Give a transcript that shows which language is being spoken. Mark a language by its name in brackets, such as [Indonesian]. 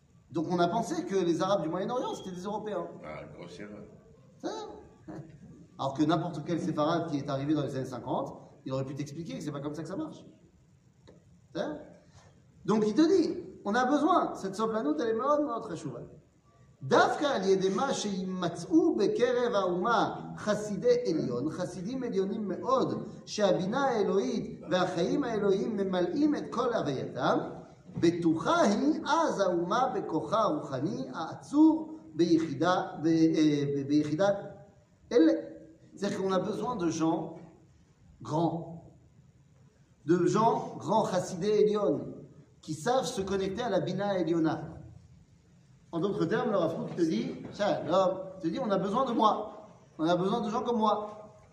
[French] Donc on a pensé que les Arabes du Moyen-Orient, c'était des Européens. Ah, grosse erreur. Alors que n'importe quel séfarade qui est arrivé dans les années 50, il aurait pu t'expliquer que c'est pas comme ça que ça marche. Donc il te dit, on a besoin, cette soplanoute, elle est mort, notre échouval. [Hebrew] דווקא על ידי מה שימצאו בקרב האומה חסידי עליון, חסידים עליונים מאוד, שהבינה האלוהית והחיים האלוהיים ממלאים את כל הווייתם, בטוחה היא אז האומה בכוחה הרוחני העצור ביחידה, ביחידה אלה. [French] C'est qu'on a besoin de gens grands, de gens grands chassidés Elion, qui savent se connecter à la Bina Eliona. En d'autres termes, le Rav Kook te dit, on a besoin de moi, on a besoin de gens comme moi.